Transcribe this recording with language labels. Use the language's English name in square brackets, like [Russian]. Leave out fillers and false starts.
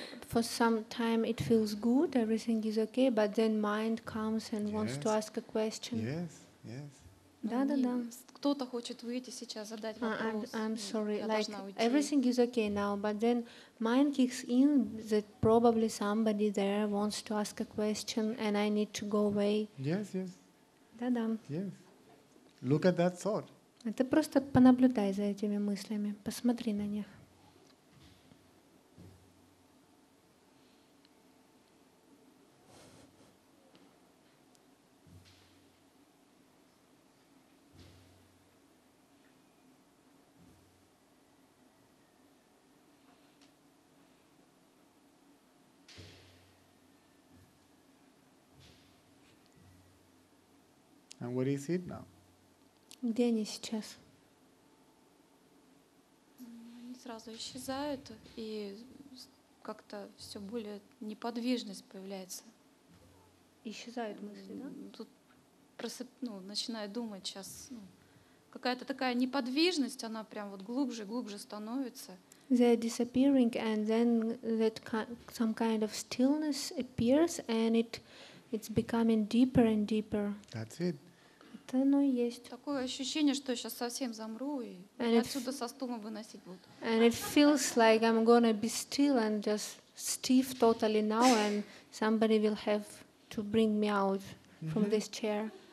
[English] For some time it feels good, everything is okay, but then mind comes and wants to ask a question. Yes, yes. [Russian] Да-да-да. Кто-то хочет выйти сейчас, задать вопрос. [English] I'm sorry, everything is okay now, but then mind kicks in that probably somebody there wants to ask a question and I need to go away. Yes, yes. [Russian] Да-да. [English] Yes. Look at that thought. [Russian] Ты просто понаблюдай за этими мыслями, посмотри на них. [English] And where is it now? [Russian] Где они сейчас? Они сразу исчезают, и как-то все более неподвижность появляется. Исчезают мысли, да? Тут начинаю думать сейчас. Какая-то такая неподвижность, она прям вот глубже и глубже становится. [English] They're disappearing, and then that some kind of stillness appears, and it's becoming deeper and deeper. That's it. [Russian] Это оно и есть. Такое ощущение, что я сейчас совсем замру, и отсюда со стула выносить буду. [English] And it feels like I'm gonna be still and just stiff totally now, and somebody will have to bring me out from this chair.